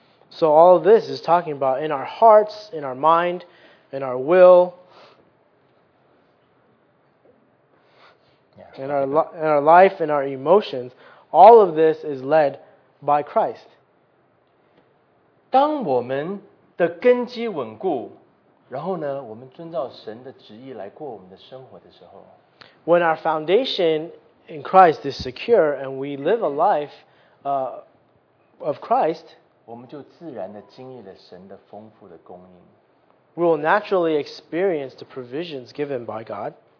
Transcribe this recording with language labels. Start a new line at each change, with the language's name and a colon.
English: So all of this is talking about in our hearts, in our mind, in our will, in our life, in our emotions, all of this is led by Christ.
Chinese: 当我们的根基稳固，然后呢，我们遵照神的旨意来过我们的生活的时候，
English: when our foundation in Christ is secure and we live a life of Christ,
Chinese: 我们就自然地经历了神的丰富的供应。
English: We will naturally experience the provisions given by God.